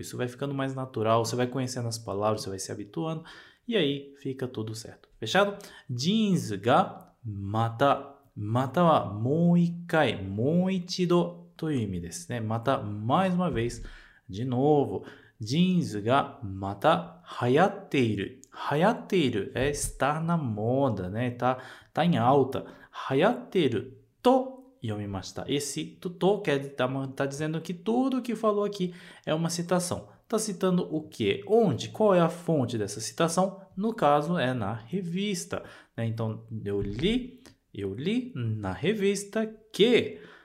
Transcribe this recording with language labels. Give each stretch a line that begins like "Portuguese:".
Portuguese: Isso vai ficando mais natural, você vai conhecendo as palavras, você vai se habituando. E aí fica tudo certo, fechado?
Japanese: Jeans ga mata. Mata wa mou ikai, mou ichido. という意味ですね。
Portuguese: また、mais uma vez、de novo。
Japanese: ジーンズがまた流行っている。
Portuguese: 流行っている。É estar na moda, né? Tá em alta.
Japanese: 流行っていると読みました。
Portuguese: Esse to quer tá dizendo que tudo que falou aqui é uma citação. Tá citando o quê? Onde? Qual é a fonte dessa citação? No caso, é na revista. Né? Então, eu li na revista que...